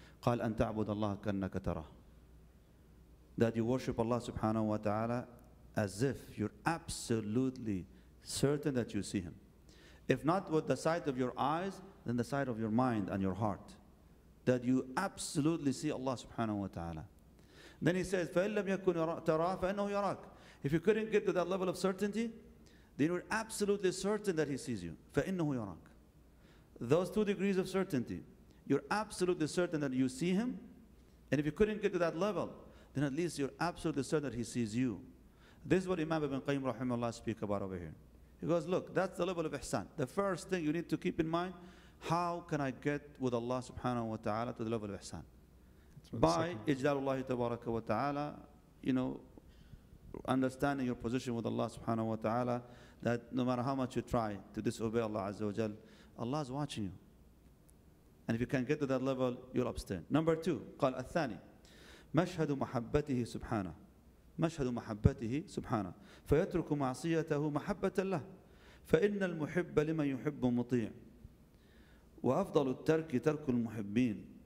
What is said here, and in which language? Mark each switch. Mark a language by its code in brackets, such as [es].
[ar] قَالْ أَن تَعْبُدَ اللَّهَ كَنَّكَ تَرَهُ. [en] That you worship Allah subhanahu wa ta'ala as if you're absolutely certain that you see him. If not with the sight of your eyes, then the sight of your mind and your heart. That you absolutely see Allah subhanahu wa ta'ala. Then he says, [ar] فَإِلَّمْ يَكُنْ تَرَاهُ فَإِنَّهُ يَرَاكُ. [en] If you couldn't get to that level of certainty, then you're absolutely certain that he sees you. [ar] فَإِنَّهُ يَرَاكُ. [en] Those 2 degrees of certainty. You're absolutely certain that you see him. And if you couldn't get to that level, then at least you're absolutely certain that he sees you. This is what Imam Ibn Qayyim rahimahullah speak about over here. He goes, look, that's the level of ihsan. The first thing you need to keep in mind, how can I get with Allah subhanahu wa ta'ala to the level of ihsan? By ijlalullahi tabaraka wa ta'ala, you know, understanding your position with Allah subhanahu wa ta'ala, that no matter how much you try to disobey Allah azza wa jal, Allah is watching you. And if you can get to that level, you'll abstain. Number two, [ar] قال الثاني, مشهد محبته سبحانه. مشهد محبته سبحانه. فيترك معصيته محبة له. فإن المحب لمن يحب مطيع. وأفضل الترك ترك المحبين.